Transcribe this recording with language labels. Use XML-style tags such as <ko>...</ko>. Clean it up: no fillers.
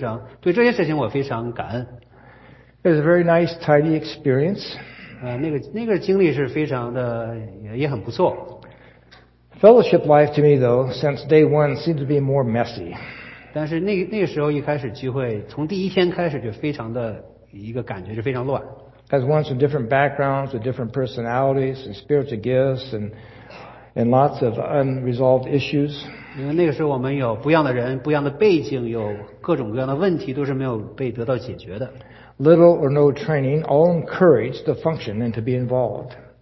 <zh>我像我刚才说的，我去一个主流的教会里边得到一些救恩的这个基础，我是非常对这些事情我非常感恩。</zh> <en>It was a very nice, tidy experience.</en> <zh>那个经历是非常的，也很不错。</zh> <en>Fellowship life to me, though, since day one, seemed to be more messy.</en> <zh>但是那个时候一开始聚会，从第一天开始就非常的一个感觉就非常乱。</zh> <en>As ones from different backgrounds, with different personalities and spiritual gifts, and lots of unresolved issues.</en> <zh>因为那个时候我们有不一样的人，不一样的背景，有各种各样的问题都是没有被得到解决的。</zh> <en>Little or no training, all encouraged to function and to be involved.</en>